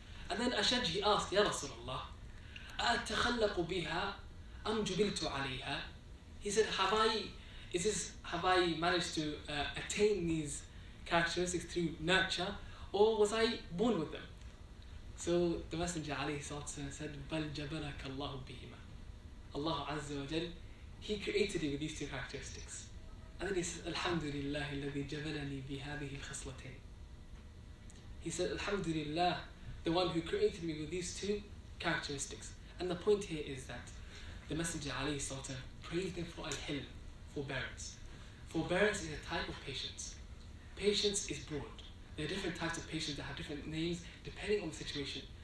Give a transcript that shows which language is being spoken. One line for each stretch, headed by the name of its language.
English: And then Ashad, he asked,
Arabic: يا رسول الله أتخلق بها أم جبلت عليها.
English: He said, have I managed to attain these characteristics through nurture, or was I born with them? So the Messenger
Arabic: عليه الصلاة والسلام said, بل جبرك الله بهما.
English: Allah عز وجل, he created you with these two characteristics. And then he says,
Arabic: Alhamdulillah الذي جبلني بهذه الخصلتين.
English: He said, Alhamdulillah, the one who created me with these two characteristics. And the point here is that the Messenger عليه الصلاة والسلام praised him for al-hilm, forbearance. Forbearance is a type of patience. Patience is broad. There are different types of patience that have different names depending on the situation.